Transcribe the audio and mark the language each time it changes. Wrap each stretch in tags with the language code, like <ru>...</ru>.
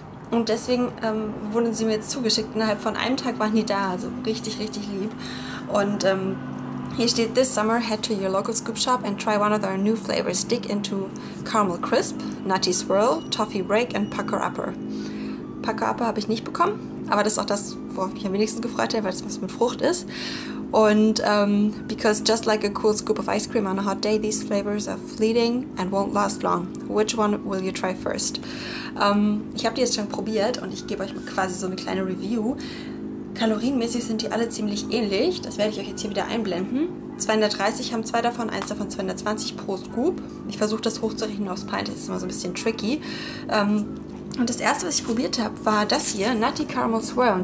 <de>Und deswegen wurden sie mir jetzt zugeschickt. Innerhalb von einem Tag waren die da, also richtig, richtig lieb. Und hier steht,</de> <en>this summer head to your local Scoop Shop and try one of our new flavors. Dig into Caramel Crisp, Nutty Swirl, Toffee Break and Pucker Upper.</en> <de>Pucker Upper habe ich nicht bekommen, aber das ist auch das, worauf ich am wenigsten gefreut habe, weil es was mit Frucht ist.</de> <en>Und because just like a cool scoop of ice cream on a hot day, these flavors are fleeting and won't last long. Which one will you try first?</en> <de>Ich habe die jetzt schon probiert und ich gebe euch quasi so eine kleine Review. Kalorienmäßig sind die alle ziemlich ähnlich. Das werde ich euch jetzt hier wieder einblenden. 230 haben zwei davon, eins davon 220 pro Scoop. Ich versuche das hochzurechnen aufs Pint, das ist immer so ein bisschen tricky. Und das erste, was ich probiert habe, war das hier, Nutty Caramel Swirl.</de>